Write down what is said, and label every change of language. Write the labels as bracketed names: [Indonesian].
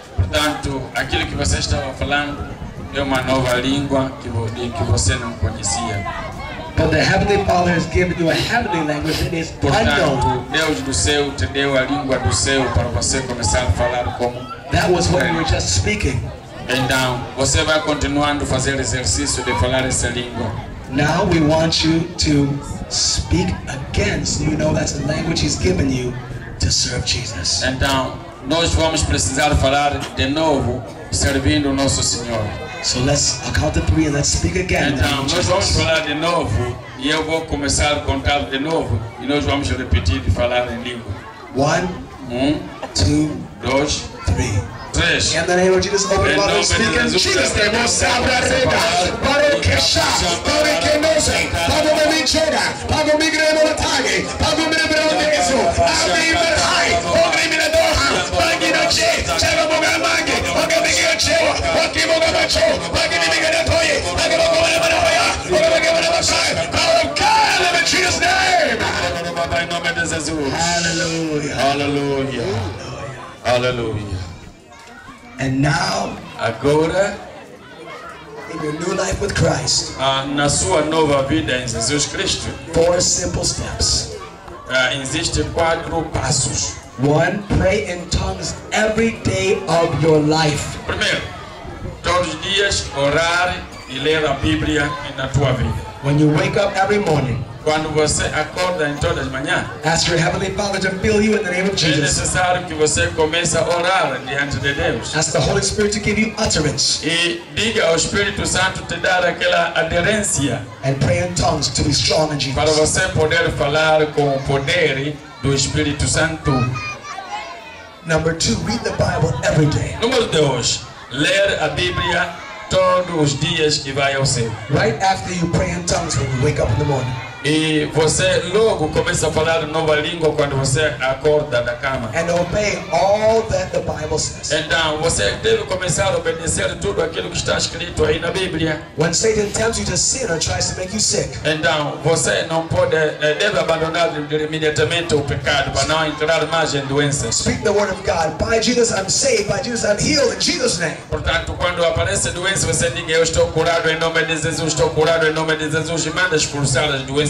[Portuguese] Portanto, aquilo que você estava falando é uma nova língua que você não conhecia. [English] But the Heavenly Father has given you a heavenly language that is [Portuguese] Deus do céu te deu a língua do céu para você começar a falar como. [English] That was what you were just speaking. [Portuguese] Então, você vai continuando fazer exercício de falar essa língua. [English] Now we want you to speak again, so you know that's the language He's given you to serve Jesus. [Portuguese] Então, nós vamos precisar falar de novo servindo o nosso Senhor. [English] So let's, I'll count to three and let's speak again. [Portuguese] Então, nós vamos falar de novo e eu vou começar a contar de novo e nós vamos repetir de falar em língua. [English] One, two, [Portuguese] dois, [English] three. In the name of Jesus, open your mouth and speak in Jesus' name. O sabra reba, paro kesha, paro kenose, paro me vichera, paro me gremo la tage, paro me rebro de Jesu, paro me imberhai, o gremi na doha, paro me noche, chego mo gamange, o que me guia cheo, o que mo gamacho, paro que me diga na toye, paro que mo gomele para hoya, o que me guia para machai, paro que me guia Jesus' name. [Portuguese] Em nome de Jesus. [English] Hallelujah. Hallelujah. Hallelujah. And now, [Portuguese] agora, [English] in your new life with Christ, [Portuguese] na sua nova vida em Jesus Cristo, [English] four simple steps. [Portuguese] Existem quatro passos. [English] One, pray in tongues every day of your life. [Portuguese] Primeiro, todos os dias orar e ler a Bíblia na tua vida. [English] When you wake up every morning. [Portuguese] Quando você acorda em todas as manhãs, [English] ask your Heavenly Father to fill you in the name of Jesus. [Portuguese] É necessário que você comece a orar diante de Deus. [English] Ask the Holy Spirit to give you utterance. [Portuguese] E diga ao Espírito Santo te dar aquela aderência. [English] And pray in tongues to be strong in Jesus. [Portuguese] Para você poder falar com o poder do Espírito Santo. [English] Number two, read the Bible every day. [Portuguese] Número dois, ler a Bíblia todos os dias que vai ao céu. [English] Right after you pray in tongues when you wake up in the morning. [Portuguese] E você logo começa a falar nova língua quando você acorda da cama. [English] And obey all that the Bible says. [Portuguese] Então, você deve começar a obedecer tudo aquilo que está escrito aí na Bíblia. [English] When Satan tells you to sin or tries to make you sick. [Portuguese] Então, você não pode, deve abandonar imediatamente o pecado para não entrar mais em doença. [English] Speak the word of God. By Jesus I'm saved, by Jesus I'm healed in Jesus' name. [Portuguese] Portanto, quando aparece doença, você diga: eu estou curado em nome de Jesus, estou curado em nome de Jesus, e manda expulsar as doenças.